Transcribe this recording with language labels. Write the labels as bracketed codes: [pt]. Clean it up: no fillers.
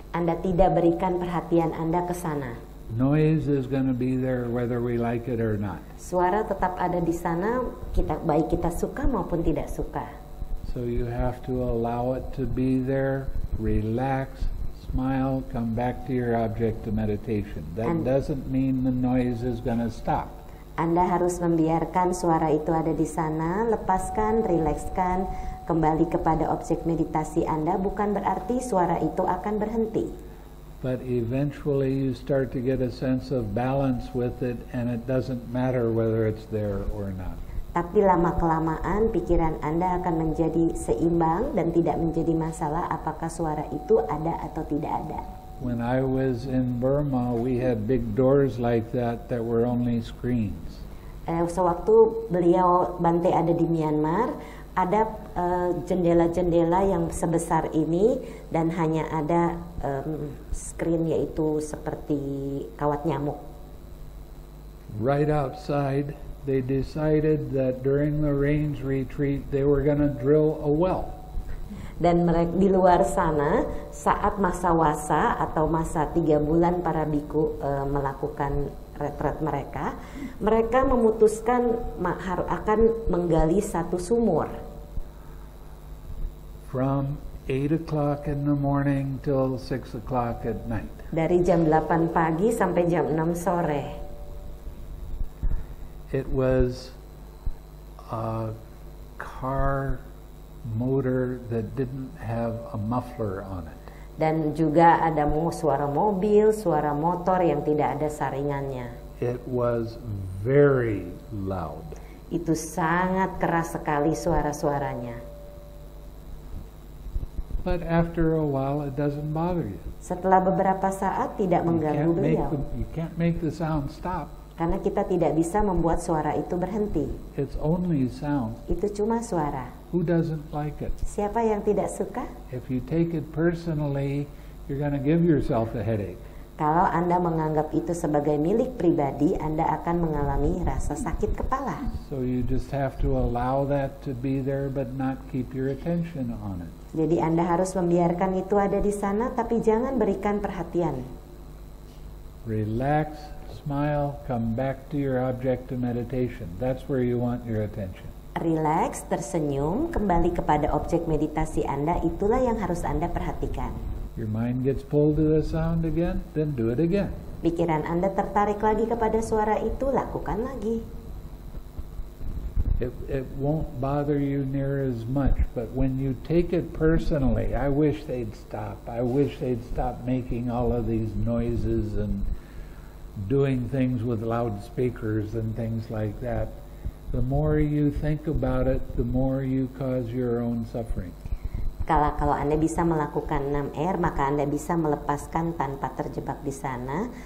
[id] Anda tidak berikan perhatian Anda ke sana. [en] Noise is going to be there whether we like it or not. [id] Suara tetap ada di sana, kita baik kita suka maupun tidak suka. [en] So you have to allow it to be there, relax, smile, come back to your object of meditation. That doesn't mean the noise is going to stop. [id] Anda harus membiarkan suara itu ada di sana, lepaskan, rilekskan, kembali kepada objek meditasi Anda, bukan berarti suara itu akan berhenti. [en] But eventually you start to get a sense of balance with it and it doesn't matter whether it's there or not. [id] Tapi lama-kelamaan pikiran Anda akan menjadi seimbang dan tidak menjadi masalah apakah suara itu ada atau tidak ada. [en] When I was in Burma, we had big doors like that that were only screens. [id] Sewaktu beliau Bante ada di Myanmar, ada jendela-jendela yang sebesar ini dan hanya ada screen yaitu seperti kawat nyamuk. [en] Right outside, they decided that during the rains retreat, they were going to drill a well. [id] Dan mereka di luar sana saat masa wasa atau masa 3 bulan para biku melakukan retret mereka, mereka memutuskan akan menggali satu sumur. [en] From 8 o'clock in the morning till 6 o'clock at night. [id] Dari jam 8 pagi sampai jam 6 sore. [en] It was a car motor that didn't have a muffler on it. [id] Dan juga ada suara mobil, suara motor yang tidak ada saringannya. [en] It was very loud. [id] Itu sangat keras sekali suara-suaranya. [en] But after a while it doesn't bother you. [id] Setelah beberapa saat tidak mengganggu beliau. [en] You can't make the sound stop. [id] Karena kita tidak bisa membuat suara itu berhenti. [en] It's only sound. [id] Itu cuma suara. [en] Who doesn't like it? [id] Siapa yang tidak suka? [en] If you take it personally, you're going to give yourself a headache. [id] Kalau Anda menganggap itu sebagai milik pribadi, Anda akan mengalami rasa sakit kepala. [en] So you just have to allow that to be there but not keep your attention on it. [id] Jadi Anda harus membiarkan itu ada di sana tapi jangan berikan perhatian. [en] Relax. Smile, come back to your object of meditation. That's where you want your attention. [id] Relax, tersenyum, kembali kepada objek meditasi Anda, itulah yang harus Anda perhatikan. [en] Your mind gets pulled to the sound again, then do it again. [id] Pikiran Anda tertarik lagi kepada suara itu, lakukan lagi. [en] it won't bother you near as much. But when you take it personally, I wish they'd stop. I wish they'd stop making all of these noises and doing things with loudspeakers and things like that. The more you think about it, the more you cause your own suffering. [id] Kalau Anda bisa melakukan 6R, maka Anda bisa melepaskan tanpa terjebak di sana.